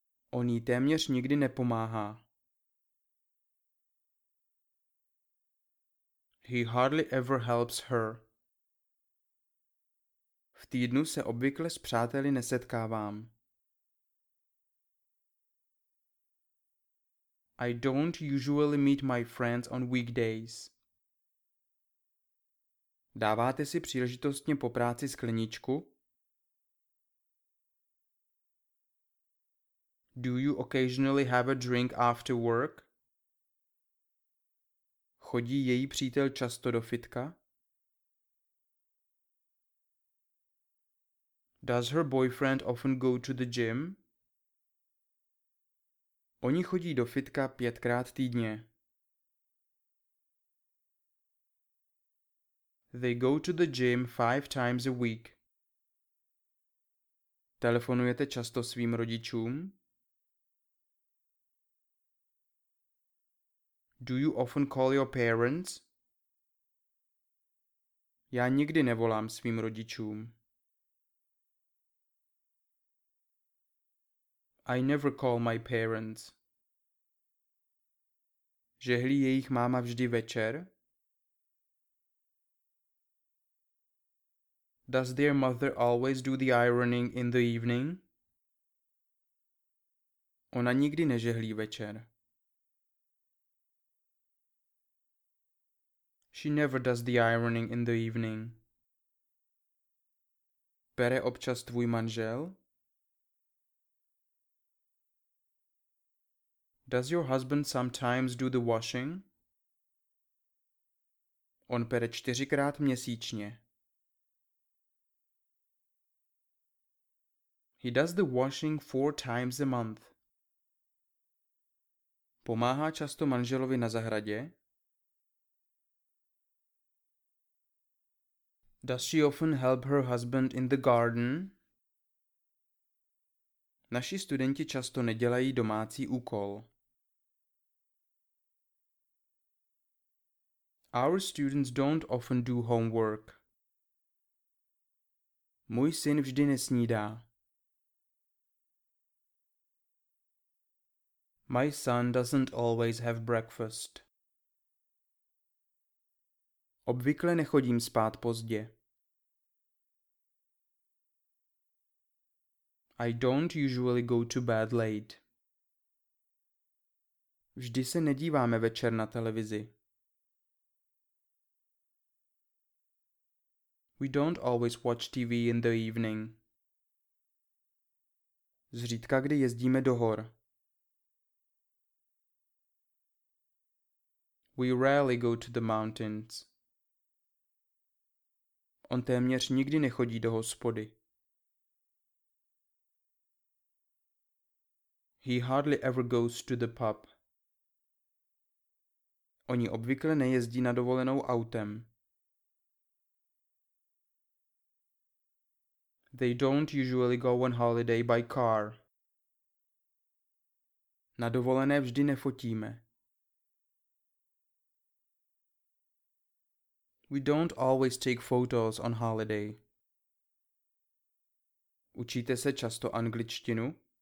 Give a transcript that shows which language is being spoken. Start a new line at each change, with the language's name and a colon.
Czech: On jí téměř nikdy nepomáhá.
English: He hardly ever helps her.
Czech: V týdnu se obvykle s přáteli nesetkávám.
English: I don't usually meet my friends on weekdays.
Czech: Dáváte si příležitostně po práci skleničku?
English: Do you occasionally have a drink after work?
Czech: Chodí její přítel často do fitka?
English: Does her boyfriend often go to the gym?
Czech: Oni chodí do fitka 5x týdně.
English: They go to the gym 5 times a week.
Czech: Telefonujete často svým rodičům?
English: Do you often call your parents?
Czech: Já nikdy nevolám svým rodičům.
English: I never call my parents.
Czech: Žehlí jejich máma vždy večer?
English: Does their mother always do the ironing in the evening?
Czech: Ona nikdy nežehlí večer.
English: She never does the ironing in the evening.
Czech: Bere občas tvůj manžel?
English: Does your husband sometimes do the washing?
Czech: On pere 4x měsíčně.
English: He does the washing 4 times a month.
Czech: Pomáhá často manželovi na zahradě?
English: Does she often help her husband in the garden?
Czech: Naši studenti často nedělají domácí úkol.
English: Our students don't often do homework.
Czech: Můj syn vždy nesnídá.
English: My son doesn't always have breakfast.
Czech: Obvykle nechodím spát pozdě.
English: I don't usually go to bed late.
Czech: Vždy se nedíváme večer na televizi.
English: We don't always watch TV in the evening.
Czech: Zřídka kdy jezdíme do hor.
English: We rarely go to the mountains.
Czech: On téměř nikdy nechodí do hospody.
English: He hardly ever goes to the pub.
Czech: Oni obvykle nejezdí na dovolenou autem.
English: They don't usually go on holiday by car.
Czech: Na dovolené vždy nefotíme.
English: We don't always take photos on holiday.
Czech: Učíte se často angličtinu?